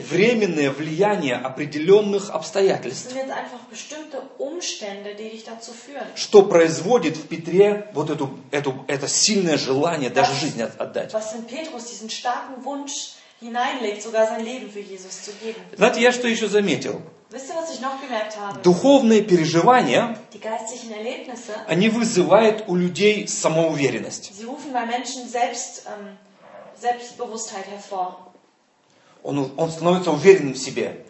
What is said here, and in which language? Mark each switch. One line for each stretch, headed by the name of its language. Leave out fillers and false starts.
Russian: Временное влияние определенных обстоятельств.
German: Das sind jetzt einfach bestimmte Umstände, die dich dazu führen.
Russian: Что производит в Петре вот это сильное желание das, даже жизнь отдать.
German: Was in Petrus diesen starken Wunsch hineinlegt, sogar sein Leben für Jesus zu geben.
Russian: Знаете, я что еще заметил?
German: Wisst ihr, was ich noch gemerkt habe?
Russian: Духовные переживания,
German: die geistlichen Erlebnisse,
Russian: они вызывают у людей самоуверенность.
German: Sie rufen bei Menschen Selbstbewusstheit hervor.
Russian: Он становится уверенным в себе.